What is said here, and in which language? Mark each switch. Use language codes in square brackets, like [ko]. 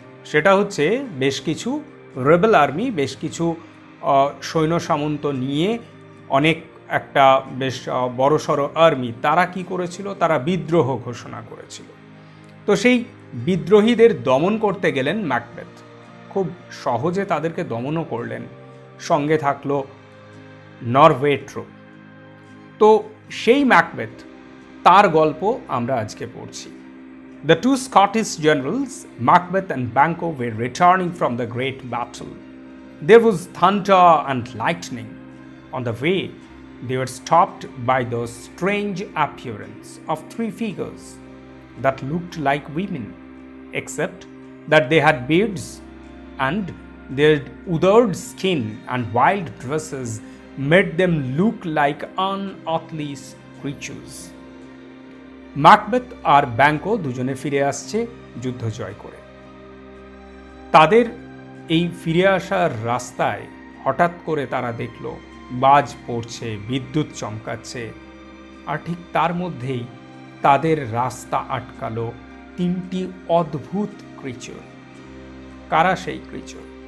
[bn] সেটা হচ্ছে বেশ কিছু রেবেল আর্মি, বেশ কিছু সৈন্য সামন্ত নিয়ে অনেক একটা বেশ বড়সড় আর্মি, তারা কি করেছিল, তারা বিদ্রোহ ঘোষণা করেছিল। তো সেই বিদ্রোহীদের দমন করতে গেলেন ম্যাকবেথ, খুব সহজে তাদেরকে দমনও করলেন, সঙ্গে থাকলো নরওয়ে ট্রুপ। তো সেই ম্যাকবেথ, তার গল্প আমরা আজকে পড়ছি। [en] The two Scottish generals, Macbeth and Banquo, were returning from the great battle. There was thunder and lightning. On the way, they were stopped by the strange appearance of three figures that looked like women, except that they had beards and their withered skin and wild dresses made them look like unearthly creatures. [bn] Macbeth আর ব্যাঙ্কো দুজনে ফিরে আসছে যুদ্ধ জয় করে। তাদের এই ফিরে আসার রাস্তায় হঠাৎ করে তারা দেখল বাজ পড়ছে, বিদ্যুৎ চমকাচ্ছে, আর ঠিক তার মধ্যেই তাদের রাস্তা আটকালো তিনটি অদ্ভুত ক্রিচার। কারা সেই ক্রিচার?